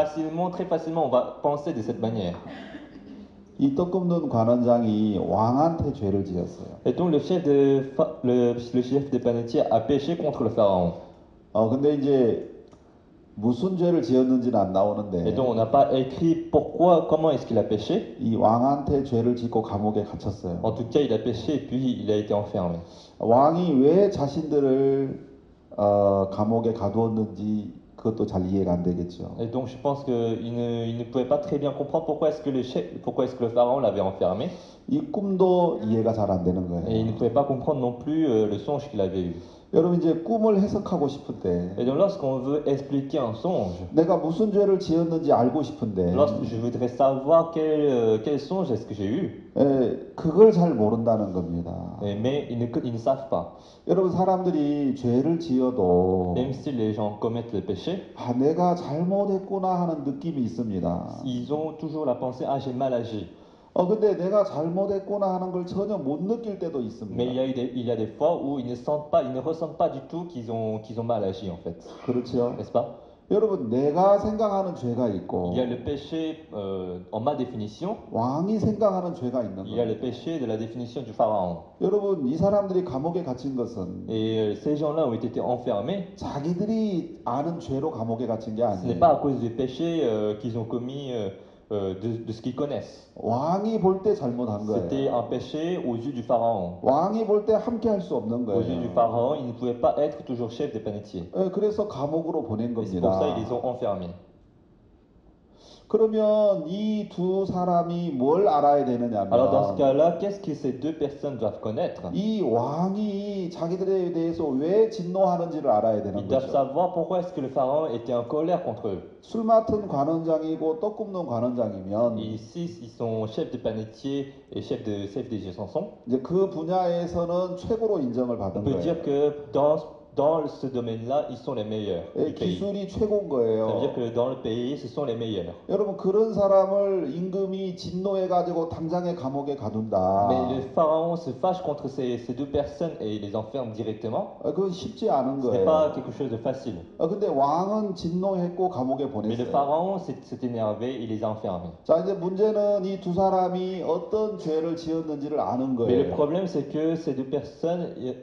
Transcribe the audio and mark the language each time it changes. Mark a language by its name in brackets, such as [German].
[French] Facilement, très facilement, on va penser de cette manière. [Korean] 이떡 굽는 관원장이 왕한테 죄를 지었어요. [French] Et donc le chef des panetiers a péché contre le pharaon. [Korean] 근데 이제 무슨 죄를 지었는지는 안 [French] Et [Korean] 나오는데 [French] donc on n'a pas écrit pourquoi, comment est-ce qu'il a péché. [Korean] 이 왕한테 죄를 짓고 감옥에 갇혔어요. [French] En tout cas, il a péché et puis il a été enfermé. [Korean] 왕이 왜 자신들을 감옥에 가두었는지 그것도 잘 이해가 안 되겠죠. [French] Et donc je pense qu'il ne pouvait pas très bien comprendre pourquoi est-ce que le pharaon l'avait enfermé. [Korean] 이 꿈도 이해가 잘안 되는 거예요. [French] Et il ne pouvait pas comprendre non plus le songe qu'il avait eu. [Korean] 여러분 이제 꿈을 해석하고 싶은데 [French] Et donc lorsqu'on veut expliquer un songe, [Korean] 내가 무슨 죄를 지었는지 알고 싶은데 [French] lorsque je voudrais savoir quel songe est-ce que j'ai eu, [Korean] 그걸 잘 모른다는 겁니다. [French] mais ils ne savent pas. [Korean] 여러분 사람들이 죄를 지어도 [French] Même si les gens commettent le péché, [Korean] 내가 잘못했구나 하는 느낌이 있습니다. [French] ils ont toujours la pensée, ah, j'ai mal agi. [Korean] 근데 내가 잘못했구나 하는 걸 전혀 못 느낄 때도 [French] Mais [Korean] 있습니다. [French] il y a des fois où ils ne ressentent pas du tout qu'ils ont mal agi, en fait. [Korean] 그렇죠? [French] N'est-ce pas? [Korean] 여러분, 내가 생각하는 죄가 [French] Il y a [Korean] 있고, [French] le péché, en ma définition, [Korean] 왕이 생각하는 죄가 있는 [French] il y a le péché de la définition du pharaon. [Korean] 거예요. 여러분, 이 사람들이 감옥에 갇힌 것은 [French] Et ces gens-là ont été enfermés. [Korean] 자기들이 아는 죄로 감옥에 갇힌 게 [French] Ce n'est [Korean] 아니에요. [French] pas à cause du péché, qu'ils ont commis. De ce qu'ils connaissent. [Korean] 왕이 볼때 잘못한 [French] C'était un péché aux yeux du pharaon. [Korean] 왕이 볼때 함께 할수 없는 [French] Aux yeux du [Korean] 거예요. [French] pharaon, il ne pouvait pas être toujours chef des panetiers. [Korean] 그래서 감옥으로 보낸 [French] Et c'est pour ça qu'ils les [Korean] 겁니다. [French] ont enfermés. [Korean] 그러면 이두 사람이 뭘 알아야 [French] Alors, dans ce [Korean] 되느냐면, [French] cas-là, qu'est-ce que ces deux personnes doivent connaître? [Korean] 이 왕이 자기들에 대해서 왜 진노하는지를 알아야 되는 [French] Ils doivent savoir pourquoi est-ce que le pharaon était en colère contre eux. [Korean] 술 맡은 관원장이고 떡 굽는 [French] Et [Korean] 관원장이면, [French] ici, ils sont chefs de panetier et chef des chansons. [Korean] 이제 그 분야에서는 최고로 인정을 [French] On [Korean] 받은 [French] peut [Korean] 거예요. [French] dire que dans ce domaine-là, ils sont les meilleurs du pays. [Korean] 기술이 최고인 [French] Ça veut dire [Korean] 거예요. [French] que dans le pays, ce sont les meilleurs. [Korean] 여러분, 그런 사람을 임금이 진노해 가지고 당장에 감옥에 [French] Mais le [Korean] 가둔다. [French] pharaon se fâche contre ces deux personnes et les enferme directement. [Korean] 그건 쉽지 않은 [French] Ce n'est pas quelque chose de facile. [Korean] 근데 왕은 진노했고 감옥에 [French] Mais le [Korean] 보냈어요. [French] pharaon s'est énervé et les a enfermés. [Korean] 자, 이제 문제는 이두 사람이 어떤 죄를 지었는지를 아는 [French] Mais le [Korean] 거예요. [French] problème, c'est que ces deux personnes.